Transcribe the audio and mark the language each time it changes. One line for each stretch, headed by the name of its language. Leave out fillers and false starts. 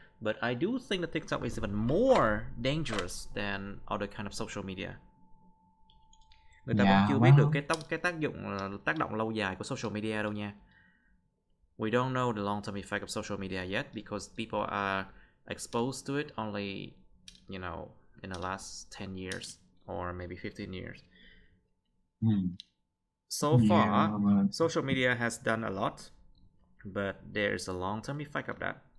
English: But I do think that TikTok is even more dangerous than other kind of social media.
Vietnamese: Người ta vẫn chưa biết được cái tác động lâu dài của social media đâu nha.
English: We don't know the long-term effect of social media yet because people are exposed to it only, in the last 10 years or maybe 15 years. So far, social media has done a lot, but there's a long-term effect of that.